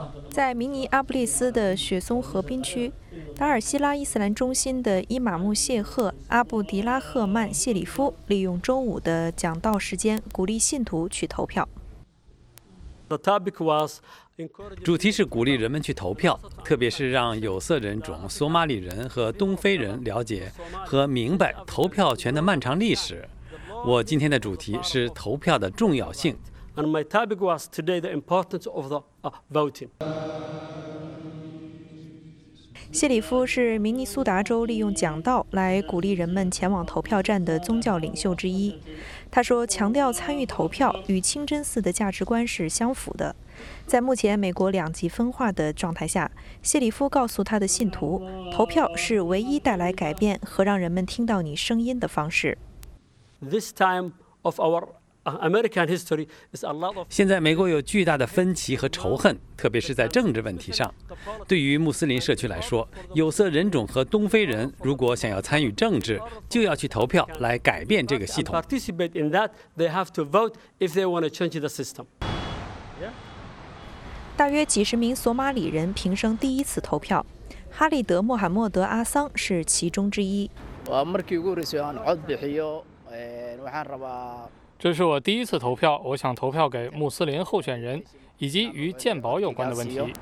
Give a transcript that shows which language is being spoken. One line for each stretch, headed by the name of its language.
Chinese: 在明尼阿波利斯的雪松河滨区，达尔希拉伊斯兰中心的伊玛目谢赫阿布迪拉赫曼谢里夫利用周五的讲道时间鼓励信徒去投票。
English: The topic was
Chinese: 主题是鼓励人们去投票，特别是让有色人种、索马里人和东非人了解和明白投票权的漫长历史。我今天的主题是投票的重要性。
English: And my topic was today the importance of the voting.
Chinese: 谢里夫是明尼苏达州利用讲道来鼓励人们前往投票站的宗教领袖之一。他说，强调参与投票与清真寺的价值观是相符的。在目前美国两极分化的状态下，谢里夫告诉他的信徒，投票是唯一带来改变和让人们听到你声音的方式。
English: This time of our American history is a lot of.
Chinese: 现在美国有巨大的分歧和仇恨，特别是在政治问题上。对于穆斯林社区来说，有色人种和东非人如果想要参与政治，就要去投票来改变这个系统。
English: Participate in that, they have to vote if they want to change the system. Yeah.
Chinese: 大约几十名索马里人平生第一次投票，哈利德·穆罕默德·阿桑是其中之一。这是我第一次投票，我想投票给穆斯林候选人以及与健保有关的问题。